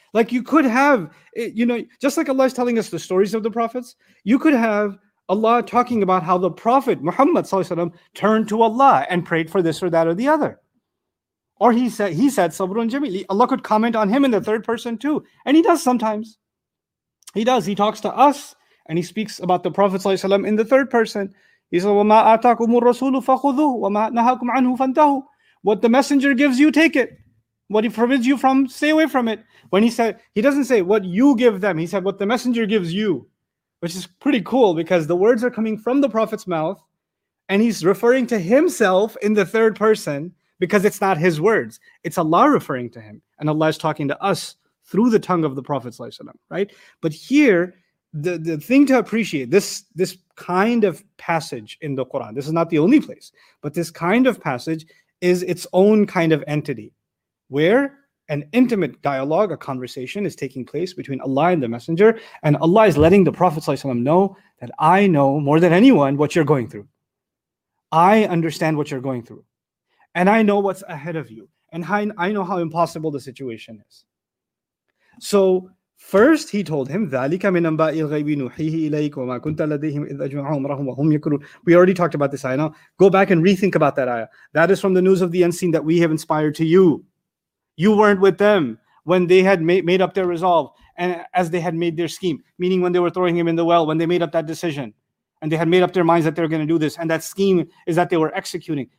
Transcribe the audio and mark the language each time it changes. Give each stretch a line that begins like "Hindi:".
English: Like you could have, you know, just like Allah is telling us the stories of the Prophets, you could have Allah talking about how the Prophet Muhammad sallallahu alayhi wasallam turned to Allah and prayed for this or that or the other. Or he said sabrun jameel. Allah could comment on him in the third person too. And he does sometimes. He does. He talks to us and he speaks about the Prophet sallallahu alayhi wasallam in the third person. He said,
Arabic: وَمَا أَعْتَاكُمُ الرَّسُولُ فَخُذُوهُ وَمَا نَهَاكُمْ عَنْهُ فَانْتَهُوا.
English: What the messenger gives you, take it. What he forbids you from, stay away from it. When he said, he doesn't say what you give them. He said what the messenger gives you, which is pretty cool because the words are coming from the Prophet's mouth and he's referring to himself in the third person because it's not his words. It's Allah referring to him and Allah is talking to us through the tongue of the Prophet sallallahu alaihi wasallam, right? But here, the thing to appreciate, this kind of passage in the Quran, this is not the only place, but this kind of passage is its own kind of entity where an intimate dialogue, a conversation is taking place between Allah and the Messenger, and Allah is letting the Prophet ﷺ know that I know more than anyone what you're going through. I understand what you're going through. And I know what's ahead of you. And I know how impossible the situation is. So first he told him,
Arabic: ذَلِكَ مِنْ أَنْبَاءِ الْغَيْبِ نُحِيهِ إِلَيْكَ وَمَا كُنْتَ لَدَيْهِمْ إِذْ أَجْمَعُوا أَمْرَهُمْ وَهُمْ يَكُرُونَ.
English: We already talked about this ayah. Now go back and rethink about that ayah. That is from the news of the unseen that we have inspired to you. You weren't with them when they had made up their resolve and as they had made their scheme, meaning when they were throwing him in the well, when they made up that decision and they had made up their minds that they're going to do this and that scheme is that they were executing.